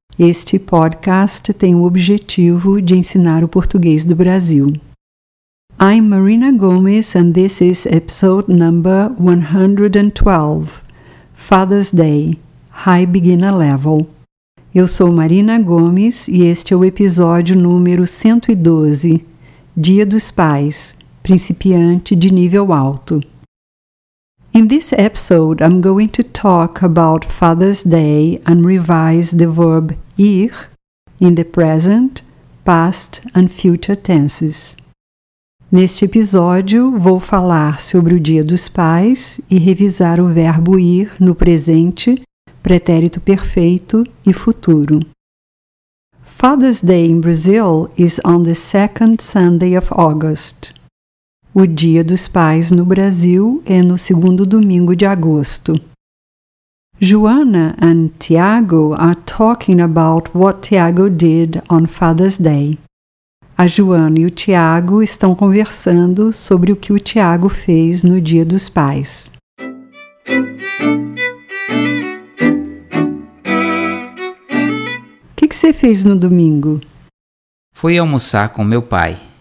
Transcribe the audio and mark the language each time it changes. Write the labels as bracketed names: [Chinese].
[Portuguese] Este podcast tem o objetivo de ensinar o português do Brasil. [English] I'm Marina Gomes and this is episode number 112, Father's Day, High Beginner Level. [Portuguese] Eu sou Marina Gomes e este é o episódio número 112, Dia dos Pais, Principiante de Nível Alto. [English] In this episode, I'm going to talk about Father's Day and revise the verb ir in the present, past and future tenses. [Portuguese] Neste episódio, vou falar sobre o Dia dos Pais e revisar o verbo ir no presente, pretérito perfeito e futuro. [English] Father's Day in Brazil is on the second Sunday of August. [Portuguese] O Dia dos Pais no Brasil é no segundo domingo de agosto. [English] Joana and Tiago are talking about what Tiago did on Father's Day. [Portuguese] A Joana e o Tiago estão conversando sobre o que o Tiago fez no Dia dos Pais. O que você fez no domingo? Fui almoçar com meu pai.